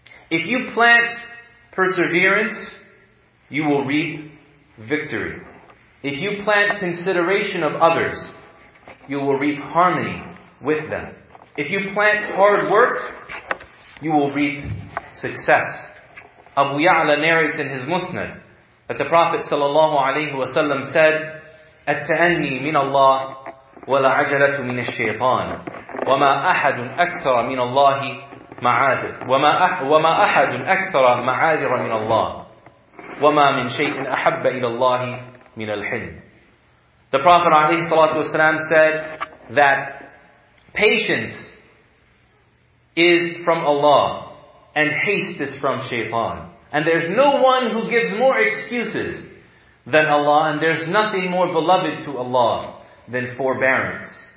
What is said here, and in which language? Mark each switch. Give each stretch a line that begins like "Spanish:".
English: If you plant perseverance, you will reap victory. If you plant consideration of others, you will reap harmony with them. If you plant hard work, you will reap success. Abu Ya'la narrates in his Musnad that the Prophet ﷺ said,
Arabic: "التأني من الله ولا عجلة من الشيطان وما أحد أكثر من الله معاذر وما أحد أكثر معاذر من الله وما من شيء أحب إلى الله من الحلم."
English: The Prophet ﷺ said that patience is from Allah and haste is from shaitan. And there's no one who gives more excuses than Allah, and there's nothing more beloved to Allah than forbearance.